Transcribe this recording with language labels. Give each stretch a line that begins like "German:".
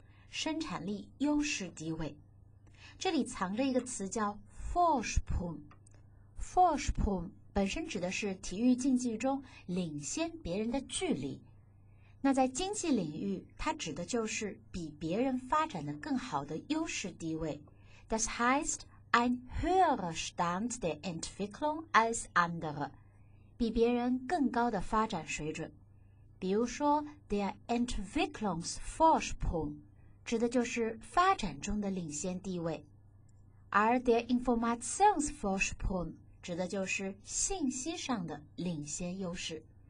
Chinese: 生产力优势地位。这里藏着一个词叫 Vorsprung， Vorsprung 本身指的是体育竞技中领先别人的距离。那在经济领域，它指的就是比别人发展的更好的优势地位。
German: Das heißt, ein höherer Stand der Entwicklung als andere.
Chinese: 比别人更高的发展水准。比如说 der Entwicklungsvorsprung 指的就是发展中的领先地位。而 der Informationsvorsprung 指的就是信息上的领先优势。